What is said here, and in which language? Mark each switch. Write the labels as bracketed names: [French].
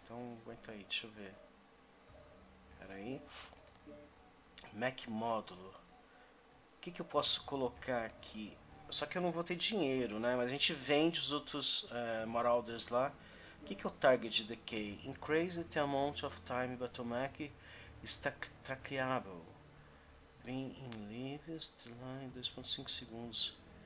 [Portuguese] Então, aguenta aí, deixa eu ver. Pera aí. Mac módulo. O que que eu posso colocar aqui? Só que eu não vou ter dinheiro, né? Mas a gente vende os outros Marauders lá. O que que é o Target Decay? [English] Increase the amount of time Battle Mac is trackable. [Portuguese] Vem em leaves, deadline, 2.5 segundos.